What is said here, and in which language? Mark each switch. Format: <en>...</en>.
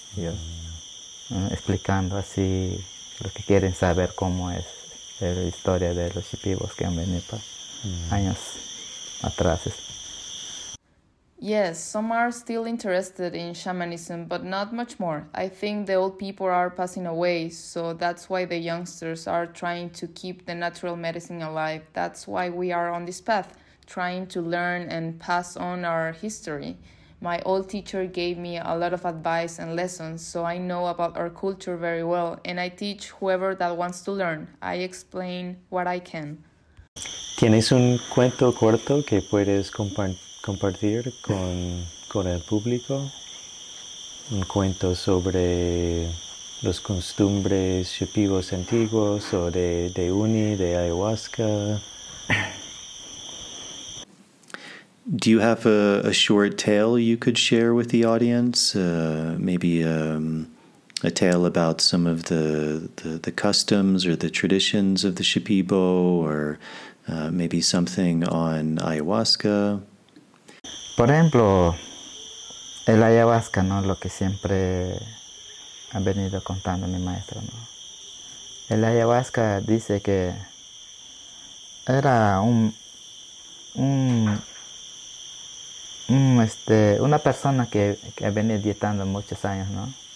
<es>Yo explicando así lo que quieren saber, cómo es la historia de los Shipibos que han venido años atrás.</es> <en>Yes, some are still interested in shamanism, but not much more. I think the old people are passing away, so that's why the youngsters are trying to keep the natural medicine alive. That's why we are on this path, trying to learn and pass on our history. My old teacher gave me a lot of advice and lessons, so I know about our culture very well, and I teach whoever that wants to learn. I explain what I can.</en> <es>¿Tienes un cuento corto que puedes compartir con el público? Un cuento sobre los costumbres shipibos antiguos o de uni, de ayahuasca.</es> <en>Do you have a short tale you could share with the audience? Maybe a tale about some of the customs or the traditions of the Shipibo, or maybe something on ayahuasca?</en> <es>Por ejemplo, el ayahuasca, ¿no? Lo que siempre ha venido contando mi maestro, ¿no? El ayahuasca dice que era una persona que ha venido dietando muchos años, ¿no?</es>